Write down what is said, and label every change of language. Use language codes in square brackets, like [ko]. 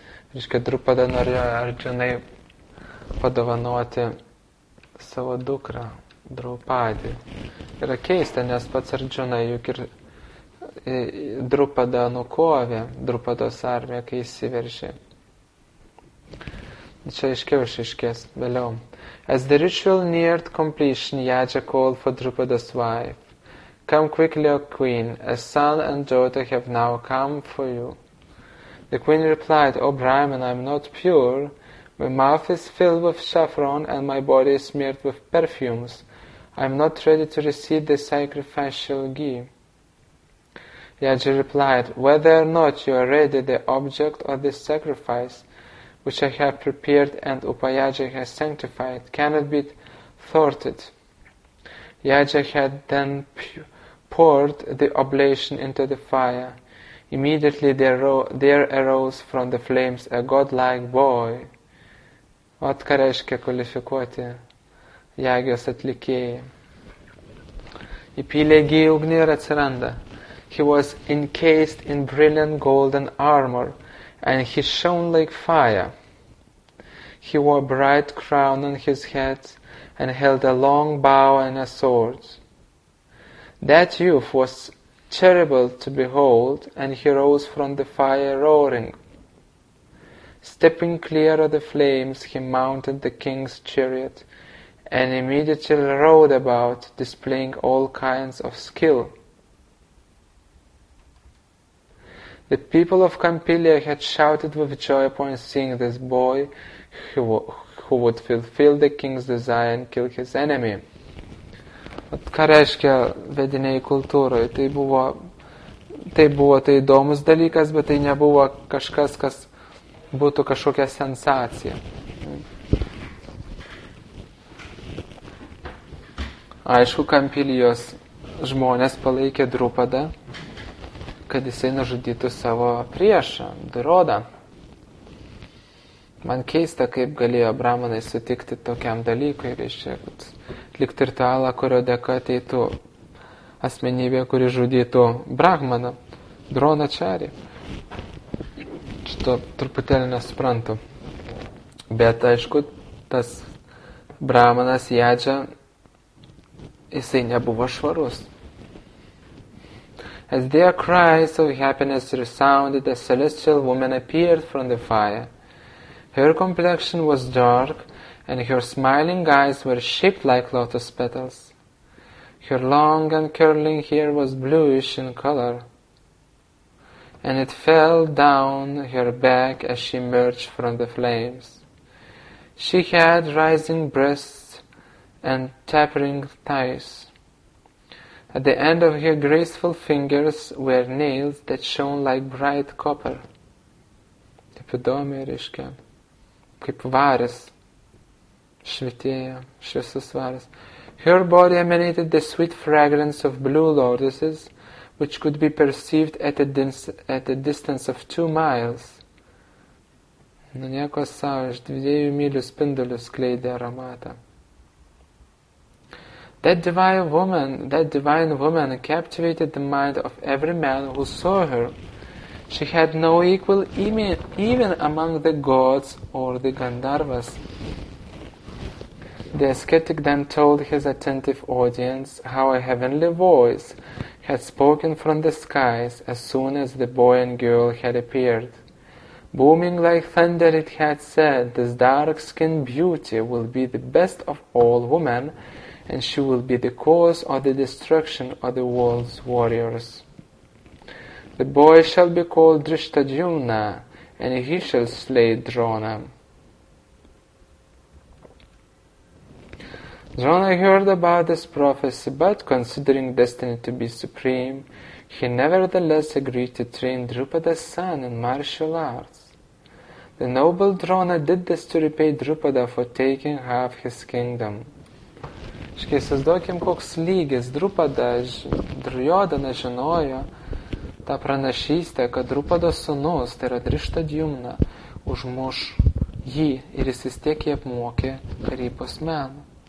[lt] Reiškia, Drupada norėjo Arjunai padovanoti savo dukrą, Draupadį. Yra keista, nes pats Arjuna juk ir Drupada nukovė Drupados armiją, kai įsiveržė. Čia aiškiau išaiškės vėliau. [en] As the ritual neared completion, Yaja called for Drupada's wife. Come quickly, O queen, a son and daughter have now come for you. The queen replied, O Brahmin, I am not pure. My mouth is filled with saffron and my body is smeared with perfumes. I am not ready to receive the sacrificial ghee. Yaja replied, whether or not you are ready, the object of this sacrifice, which I have prepared and Upayaja has sanctified, cannot be thwarted. Yaja had then poured the oblation into the fire. Immediately there arose from the flames a godlike boy. [lt] Ot ką reiškia kvalifikuoti Jagios atlikėjai. Įpylė gi ugnį ir atsiranda. [en] He was encased in brilliant golden armor, and he shone like fire. He wore a bright crown on his head and held a long bow and a sword. That youth was terrible to behold, and he rose from the fire roaring. Stepping clear of the flames, he mounted the king's chariot and immediately rode about, displaying all kinds of skill. The people of Campilia had shouted with joy upon seeing this boy who would fulfill the king's desire and kill his enemy. [lt] At ką reiškia vediniai kultūroje? Tai buvo įdomus dalykas, bet tai nebuvo kažkas, kas būtų kažkokia sensacija. Aišku, Kampilijos žmonės palaikė Drupadą, kad jisai nužudytų savo priešą, Durodą. Man keista, kaip galėjo brahmanai sutikti tokiam dalykui, reiškia, kad likti ritualą, kurio dėka ateitų asmenybė, kuri žudytų brahmaną, dronačarį. Šito truputėlį nesuprantu. Bet, aišku, tas brahmanas jadža, jisai nebuvo švarus. [en] As their cries of happiness resounded, a celestial woman appeared from the fire. Her complexion was dark, and her smiling eyes were shaped like lotus petals. Her long and curling hair was bluish in color, and it fell down her back as she emerged from the flames. She had rising breasts and tapering thighs. At the end of her graceful fingers were nails that shone like bright copper. [lt] Taip įdomi, reiškia, kaip varis, švietėjo, šviesus varis. [en] Her body emanated the sweet fragrance of blue lotuses, which could be perceived at a distance of 2 miles. [lt] Nu, nieko savo, iš 2 mylių spindulių skleidė aromatą. [en] That divine woman captivated the mind of every man who saw her. She had no equal even among the gods or the Gandharvas. The ascetic then told his attentive audience how a heavenly voice had spoken from the skies as soon as the boy and girl had appeared. Booming like thunder, it had said, "This dark-skinned beauty will be the best of all women, and she will be the cause of the destruction of the world's warriors. The boy shall be called Drishtadyumna, and he shall slay Drona." Drona heard about this prophecy, but considering destiny to be supreme, he nevertheless agreed to train Drupada's son in martial arts. The noble Drona did this to repay Drupada for taking half his kingdom. [lt] Įsivaizduokim, koks lygis Drupada, Drujodana žinojo tą pranašystę, kad Drupado sūnus, tai yra Drishtadyumna, užmuš jį ir jis vis tiek jį apmokė karybos meną.